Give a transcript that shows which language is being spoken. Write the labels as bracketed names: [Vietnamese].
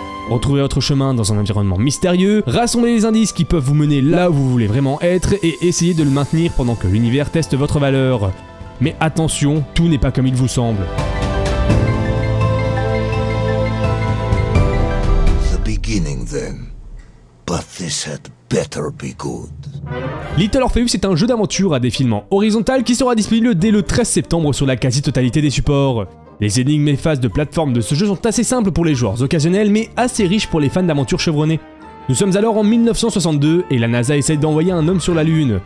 [French] Retrouvez votre chemin dans un environnement mystérieux, rassemblez les indices qui peuvent vous mener là où vous voulez vraiment être et essayez de le maintenir pendant que l'univers teste votre valeur. Mais attention, tout n'est pas comme il vous semble. [English] The beginning then, but this had better be good. [French] Little Orpheus est un jeu d'aventure à défilement horizontal qui sera disponible dès le 13 septembre sur la quasi-totalité des supports. Les énigmes et phases de plateforme de ce jeu sont assez simples pour les joueurs occasionnels, mais assez riches pour les fans d'aventures chevronnées. Nous sommes alors en 1962 et la NASA essaie d'envoyer un homme sur la Lune.